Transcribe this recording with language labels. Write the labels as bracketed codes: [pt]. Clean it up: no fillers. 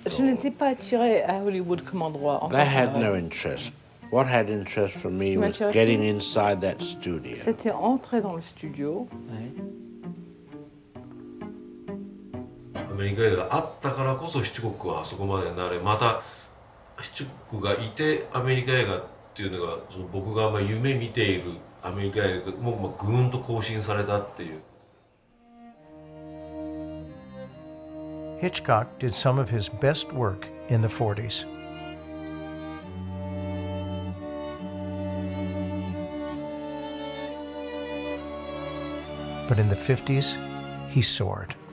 [fr] Je n'étais pas attirée à Hollywood comme endroit. [en] That had no interest. What had interest for me was getting inside that studio. [fr] C'était entrer dans le studio. [ja] アメリカ映画があったからこそ、ヒチコックはあそこまでになれ。また、ヒチコックがいて、アメリカ映画っていうのが、その僕が夢見ているアメリカ映画がもうぐーんと更新されたっていう。 [en] Hitchcock did some of his best work in the 40s. But in the 50s, he soared.